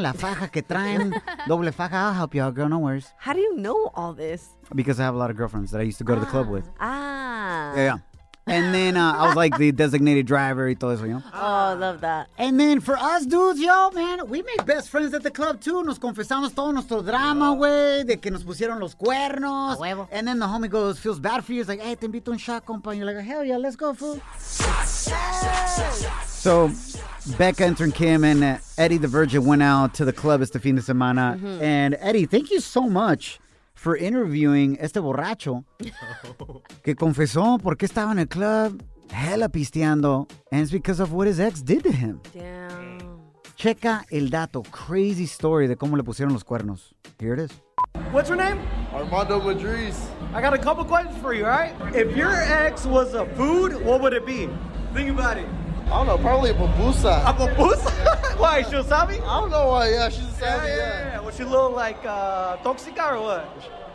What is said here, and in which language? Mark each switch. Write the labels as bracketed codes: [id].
[es] La faja que traen. Doble faja. I'll help y'all, girl. No worries. [en] How do you know all this? Because I have a lot of girlfriends that I used to go to the club with. Ah. Yeah. And then I was, like, the designated driver y todo eso, you know? Oh, I love that. And then for us dudes, yo, man, we make best friends at the club, too. [es] Nos confesamos todo nuestro drama, güey, de que nos pusieron los cuernos. A huevo. [en] And then the homie goes, feels bad for you. He's like, hey, te invito un shot, compa. And you're like, hell yeah, let's go, fool. So, Becca entering Kim and Eddie the Virgin went out to the club este fin de semana. Mm-hmm. And Eddie, thank you so much for interviewing este borracho que confesó por qué estaba en el club hella pisteando, and it's because of what his ex did to him. Damn. [es] Checa el dato. Crazy story de cómo le pusieron los cuernos. [en] Here it is. What's your name? Armando Madriz. I got a couple questions for you, all right? If your ex was a food, what would it be? Think about it. I don't know. Probably a babusa. A babusa? Why, she wasabi? I don't know why. Yeah, she's a wasabi. Yeah, yeah. Was she a little like toxica or what?